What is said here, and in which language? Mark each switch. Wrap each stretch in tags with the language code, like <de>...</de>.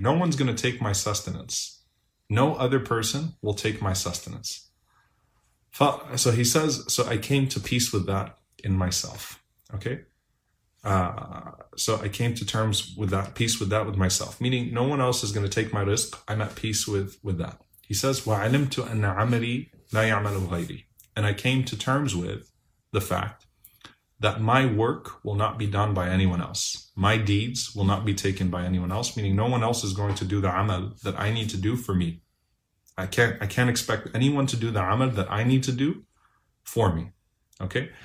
<en>No one's going to take my sustenance. No other person will take my sustenance. So he says, so I came to peace with that in myself. Okay? So I came to terms with that, peace with that with myself. Meaning no one else is going to take my risk. I'm at peace with that. He says,</en> <ar>وَعَلِمْتُ أَنَّ عَمَلِي لَا يَعْمَلُ غَيْرِي.</ar> <en>And I came to terms with the fact that my work will not be done by anyone else. My deeds will not be taken by anyone else, meaning no one else is going to do the amal that I need to do for me. I can't expect anyone to do the amal that I need to do for me. Okay?</en>